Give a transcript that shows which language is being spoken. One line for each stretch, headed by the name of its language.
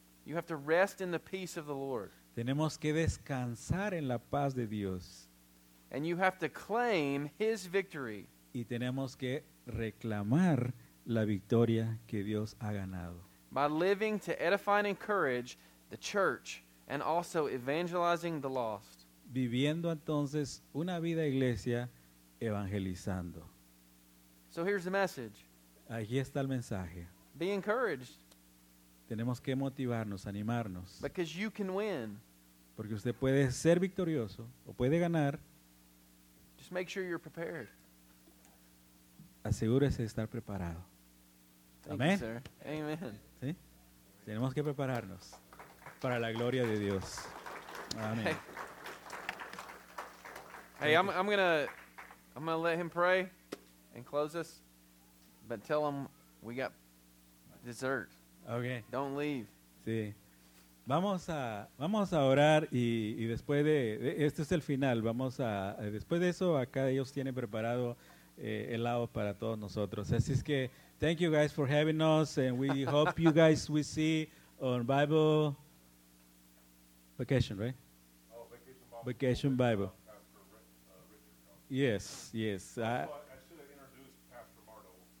English: You have to rest in the peace of the Lord.
Spanish: Tenemos que descansar en la paz de Dios.
English: And you have to claim His victory.
Spanish: Y tenemos que reclamar la victoria que Dios ha ganado.
English: By living to edify and encourage the church, and also evangelizing the lost.
Spanish: Viviendo entonces una vida iglesia evangelizando.
English: So here's the message.
Spanish: Aquí está el mensaje.
English: Be encouraged.
Spanish: Tenemos que motivarnos, animarnos.
English: Because you can win.
Spanish: Porque usted puede ser victorioso o puede ganar.
English: Just make sure you're prepared.
Spanish: Asegúrese de estar preparado.
English: Amén. Thank you, sir. Amen.
Spanish: ¿Sí? Tenemos que prepararnos. Para la gloria de Dios. Amén.
English: Hey, I'm gonna let him pray and close us, but tell him we got dessert. Okay. Don't leave.
Spanish: Sí. Vamos a orar y después de este es el final. Vamos a después de eso acá ellos tienen preparado helado para todos nosotros. Así es que
English: thank you guys for having us and we hope you guys we see on Bible vacation, right? Vacation Bible. Yes, yes. I should have introduced Pastor Marto.